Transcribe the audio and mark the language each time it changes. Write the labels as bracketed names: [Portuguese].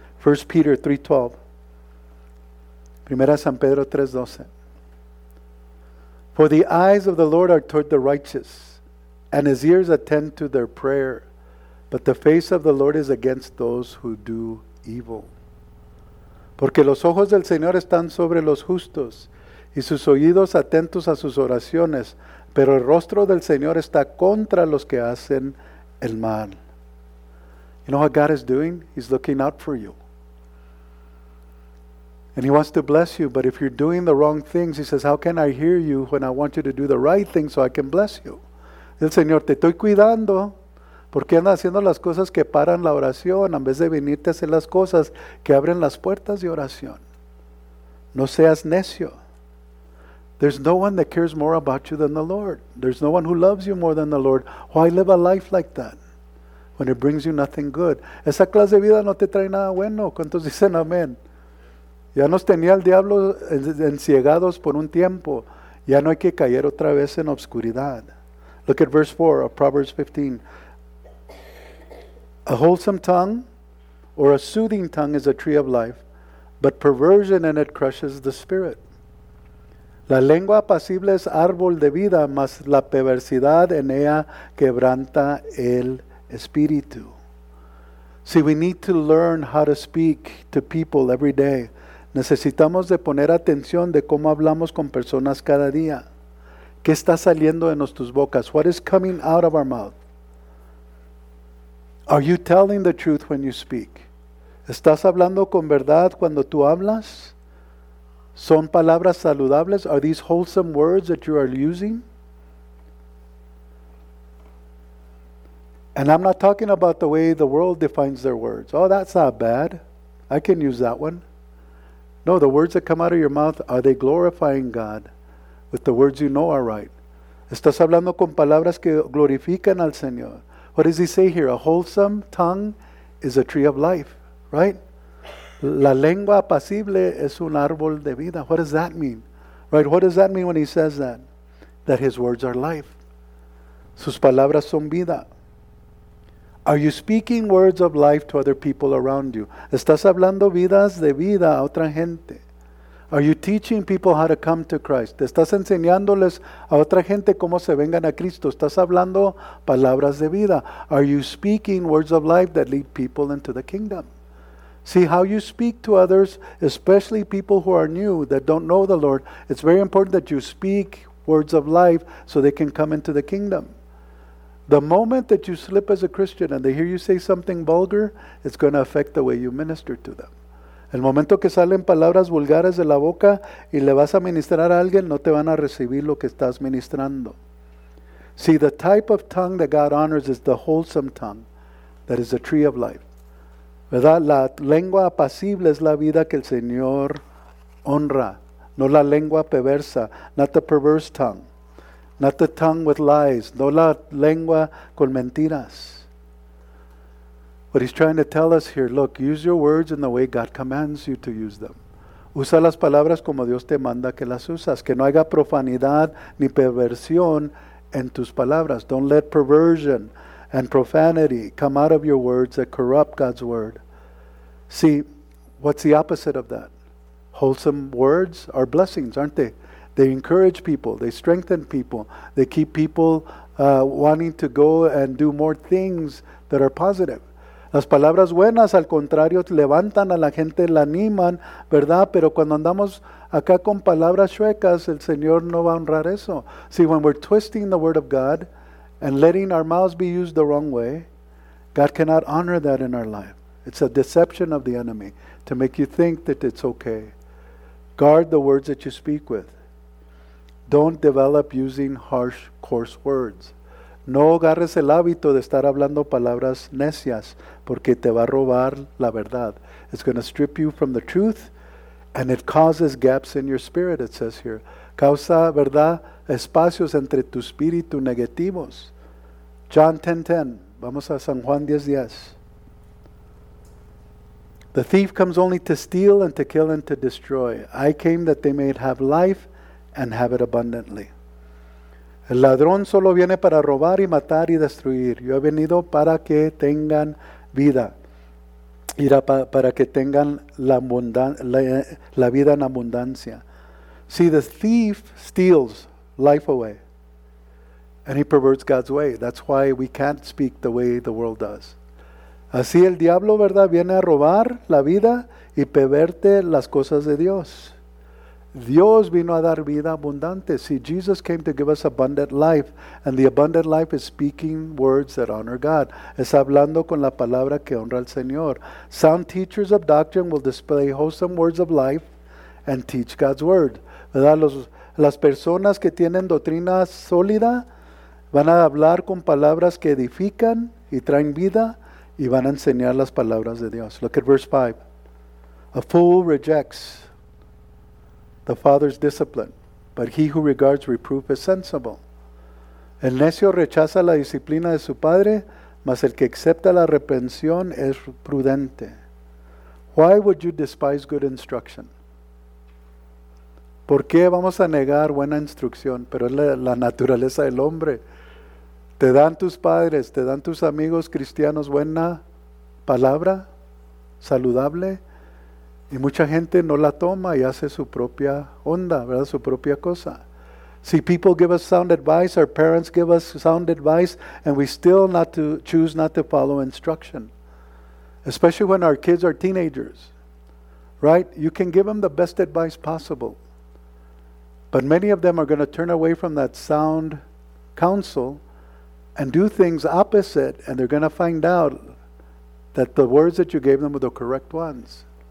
[English] 1 Peter 3:12. Primera San Pedro 3:12. For the eyes of the Lord are toward the righteous, And his ears attend to their prayer. But the face of the Lord is against those who do evil. [Spanish] Porque los ojos del Señor están sobre los justos, y sus oídos atentos a sus oraciones, pero el rostro del Señor está contra los que hacen el mal. [English] You know what God is doing? He's looking out for you. And he wants to bless you, but if you're doing the wrong things, he says, how can I hear you when I want you to do the right thing so I can bless you? [Spanish] El Señor, te estoy cuidando, porque anda haciendo las cosas que paran la oración, en vez de venirte a hacer las cosas que abren las puertas de oración. No seas necio. [English] There's no one that cares more about you than the Lord. There's no one who loves you more than the Lord. Why live a life like that when it brings you nothing good? [Spanish] Esa clase de vida no te trae nada bueno. ¿Cuántos dicen amén? Ya nos tenía el diablo enciegados por un tiempo. Ya no hay que caer otra vez en obscuridad. [English] Look at verse 4 of Proverbs 15. A wholesome tongue or a soothing tongue is a tree of life, but perversion in it crushes the spirit. [Spanish] La lengua apacible es árbol de vida, mas la perversidad en ella quebranta el espíritu. [English] See, we need to learn how to speak to people every day. [Spanish] Necesitamos de poner atención de cómo hablamos con personas cada día. ¿Qué está saliendo de nuestras bocas? [English] What is coming out of our mouth? Are you telling the truth when you speak? [Spanish] ¿Estás hablando con verdad cuando tú hablas? ¿Son palabras saludables? [English] Are these wholesome words that you are using? And I'm not talking about the way the world defines their words. Oh, that's not bad. I can use that one. No, the words that come out of your mouth, are they glorifying God with the words you know are right? [Spanish] ¿Estás hablando con palabras que glorifican al Señor? [English] What does he say here? A wholesome tongue is a tree of life, right? [Spanish] La lengua apacible es un árbol de vida. [English] What does that mean? Right, what does that mean when he says that? That his words are life. [Spanish] Sus palabras son vida. [English] Are you speaking words of life to other people around you? [Spanish] ¿Estás hablando vidas de vida a otra gente? [English] Are you teaching people how to come to Christ? [Spanish] ¿Estás enseñándoles a otra gente cómo se vengan a Cristo? ¿Estás hablando palabras de vida? [English] Are you speaking words of life that lead people into the kingdom? See, how you speak to others, especially people who are new, that don't know the Lord, it's very important that you speak words of life so they can come into the kingdom. The moment that you slip as a Christian and they hear you say something vulgar, it's going to affect the way you minister to them. [Spanish] El momento que salen palabras vulgares de la boca y le vas a ministrar a alguien, no te van a recibir lo que estás ministrando. [English] See, the type of tongue that God honors is the wholesome tongue that is the tree of life. [Spanish] ¿Verdad? La lengua apacible es la vida que el Señor honra. No la lengua perversa. [English] Not the perverse tongue. Not the tongue with lies. [Spanish] No la lengua con mentiras. [English] What he's trying to tell us here, look, use your words in the way God commands you to use them. [Spanish] Usa las palabras como Dios te manda que las usas. Que no haya profanidad ni perversión en tus palabras. [English] Don't let perversion and profanity come out of your words that corrupt God's word. See, what's the opposite of that? Wholesome words are blessings, aren't they? They encourage people. They strengthen people. They keep people wanting to go and do more things that are positive. [Spanish] Las palabras buenas, al contrario, levantan a la gente, la animan, ¿verdad? Pero cuando andamos acá con palabras chuecas, el Señor no va a honrar eso. [English] See, when we're twisting the word of God and letting our mouths be used the wrong way, God cannot honor that in our life. It's a deception of the enemy to make you think that it's okay. Guard the words that you speak with. Don't develop using harsh, coarse words. [Spanish] No agarres el hábito de estar hablando palabras necias, porque te va a robar la verdad. [English] It's going to strip you from the truth, and it causes gaps in your spirit, it says here. [Spanish] Causa, ¿verdad?, espacios entre tu espíritu negativos. John 10:10. Vamos a San Juan 10:10. [English] The thief comes only to steal and to kill and to destroy. I came that they may have life and have it abundantly. [Spanish] El ladrón solo viene para robar y matar y destruir. Yo he venido para que tengan vida. Para que tengan la vida en abundancia. [English] See, the thief steals life away. And he perverts God's way. That's why we can't speak the way the world does. [Spanish] Así el diablo, ¿verdad?, viene a robar la vida y perverte las cosas de Dios. Dios vino a dar vida abundante. [English] See, Jesus came to give us abundant life. And the abundant life is speaking words that honor God. [Spanish] Es hablando con la palabra que honra al Señor. [English] Sound teachers of doctrine will display wholesome words of life and teach God's word. [Spanish] ¿Verdad? Las personas que tienen doctrina sólida van a hablar con palabras que edifican y traen vida y van a enseñar las palabras de Dios. [English] Look at verse 5. A fool rejects the father's discipline, but he who regards reproof is sensible. [Spanish] El necio rechaza la disciplina de su padre, mas el que acepta la reprensión es prudente. [English] Why would you despise good instruction? [Spanish] ¿Por qué vamos a negar buena instrucción? Pero es la naturaleza del hombre. Te dan tus padres, te dan tus amigos cristianos buena palabra, saludable, y mucha gente no la toma y hace su propia onda, ¿verdad? Su propia cosa. [English] See, people give us sound advice, our parents give us sound advice, and we still choose not to follow instruction. Especially when our kids are teenagers, right? You can give them the best advice possible. But many of them are going to turn away from that sound counsel and do things opposite, and they're going to find out that the words that you gave them were the correct ones.